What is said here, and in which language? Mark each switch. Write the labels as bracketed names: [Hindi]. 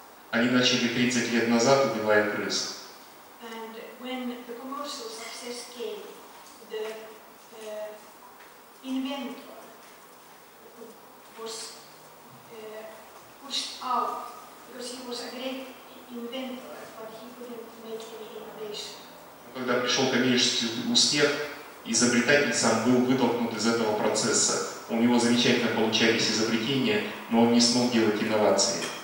[Russian] Они начали 30 лет назад, убивая крыс. [English] And when the commercial success came, the inventor was pushed out, because he was a great inventor, but he couldn't make any innovation. [Russian] Когда пришел коммерческий успех, изобретатель сам был вытолкнут из этого процесса. У него замечательно получались изобретения, но он не смог делать инновации.